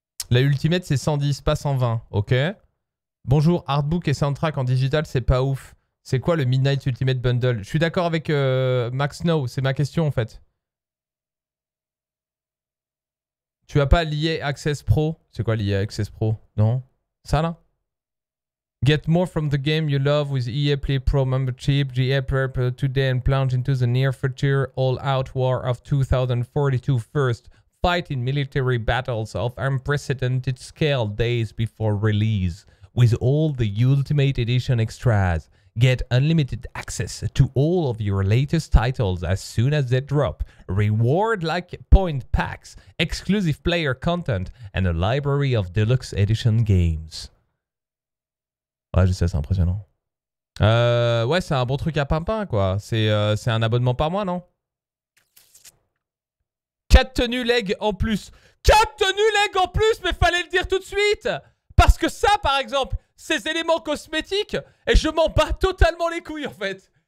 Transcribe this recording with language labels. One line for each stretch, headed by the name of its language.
French: La Ultimate, c'est 110, pas 120, ok. Bonjour, artbook et soundtrack en digital, c'est pas ouf. C'est quoi le Midnight Ultimate Bundle? Je suis d'accord avec Max Snow, c'est ma question en fait. Tu as pas l'EA Access Pro? C'est quoi l'EA Access Pro? Non? Ça là?
English: Get more from the game you love with EA Play Pro membership. GA Prep today and plunge into the near future all-out war of 2042 first. Fight in military battles of unprecedented scale days before release. With all the Ultimate Edition extras, get unlimited access to all of your latest titles as soon as they drop. Reward like point packs, exclusive player content, and a library of deluxe edition games.
French: Ouais, je sais, c'est impressionnant. Ouais, c'est un bon truc à pimpin, quoi. C'est un abonnement par mois, non? 4 tenues leg en plus. 4 tenues leg en plus, mais fallait le dire tout de suite! Parce que ça, par exemple, ces éléments cosmétiques, et je m'en bats totalement les couilles, en fait.